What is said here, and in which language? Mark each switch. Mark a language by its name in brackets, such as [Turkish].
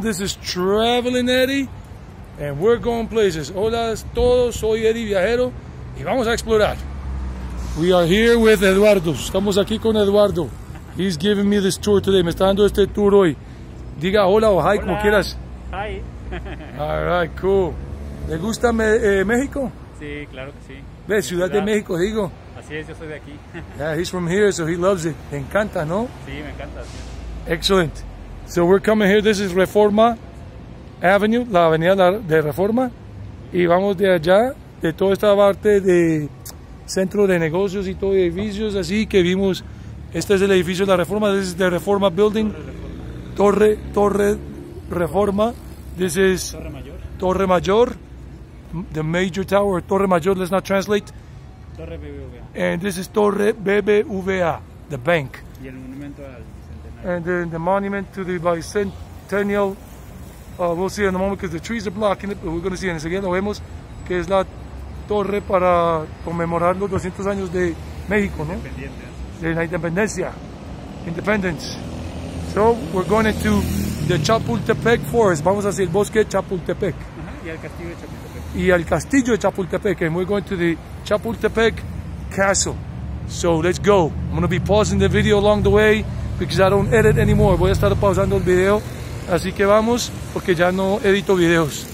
[English] This is Traveling Eddie, and we're going places. [Spanish] Hola a todos, soy Eddie Viajero, y vamos a explorar. [English] We are here with Eduardo. [Spanish] Estamos aquí con Eduardo. [English] He's giving me this tour today. [Spanish] Me está dando este tour hoy. Diga hola o hi, hola. Como quieras. [English] Hi. All right, cool. [Spanish] ¿Le gusta México? Sí, claro que sí. Ve, Ciudad de México, digo. Así es, yo soy de aquí. [English] Yeah, he's from here, so he loves it. [Spanish] Te encanta, ¿no? Sí, me encanta. Sí. [English] Excellent. So we're coming here. This is Reforma Avenue, la avenida de Reforma. [Spanish] Y vamos de allá, de toda esta parte de centro de negocios y todo de edificios, así que vimos. Este es el edificio de la Reforma. [English] This is the Reforma Building. [Spanish] Torre Reforma. [English] This is [Spanish] Torre Mayor. [English] The major tower, Torre Mayor, let's not translate. [Spanish] Torre BBVA. [English] And this is Torre BBVA, the bank. [Spanish] Y el monumento al [English] and then the monument to the bicentennial. We'll see in a moment because the trees are blocking it, but we're going to see in a second. [Spanish] Vemos que es la torre para conmemorar los 200 años de México, ¿no? De la independencia. [English] Independence. So we're going into the Chapultepec Forest. [Spanish] Vamos hacia el bosque Chapultepec. Y al castillo de Chapultepec. Y al castillo de Chapultepec, [English] and we're going to the Chapultepec Castle. So let's go. I'm going to be pausing the video along the way because I don't edit anymore. [Spanish] Voy a estar pausando el video. Así que vamos, porque ya no edito videos.